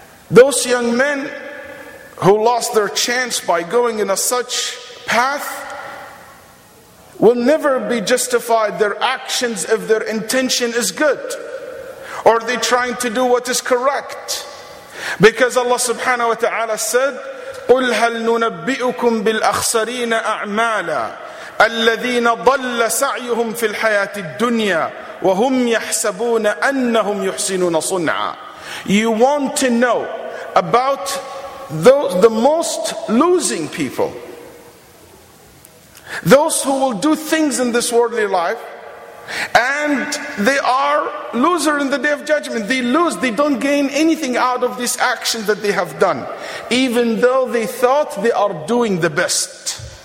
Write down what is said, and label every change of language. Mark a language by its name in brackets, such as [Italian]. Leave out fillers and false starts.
[English] Those young men who lost their chance by going in a such path will never be justified their actions if their intention is good. Or are they trying to do what is correct? Because Allah subhanahu wa ta'ala said, [Arabic] قُلْ هَلْ نُنَبِّئُكُمْ بِالْأَخْسَرِينَ أَعْمَالًا الَّذِينَ ضَلَّ سَعْيُهُمْ فِي الْحَيَاةِ الدُّنْيَا وَهُمْ يَحْسَبُونَ أَنَّهُمْ يُحْسِنُونَ صُنْعًا. [English] You want to know about the most losing people. Those who will do things in this worldly life and they are losers in the day of judgment. They lose, they don't gain anything out of this action that they have done, even though they thought they are doing the best.